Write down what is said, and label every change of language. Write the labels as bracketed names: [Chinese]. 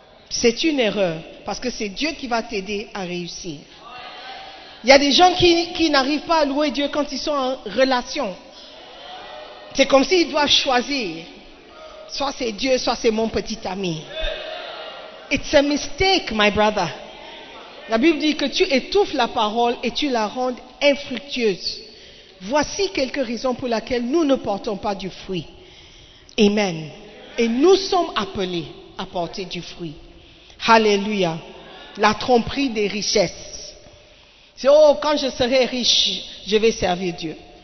[French] C'est une erreur, parce que c'est Dieu qui va t'aider à réussir. Il y a des gens qui n'arrivent pas à louer Dieu quand ils sont en relation. C'est comme s'ils doivent choisir. Soit c'est Dieu, soit c'est mon petit ami. [English] It's a mistake, my brother. [French] La Bible dit que tu étouffes la parole et tu la rends infructueuse. Voici quelques raisons pour lesquelles nous ne portons pas du fruit. Amen. Et nous sommes appelés à porter du fruit. Alléluia. La tromperie des richesses. C'est, oh, quand je serai riche, je vais servir Dieu.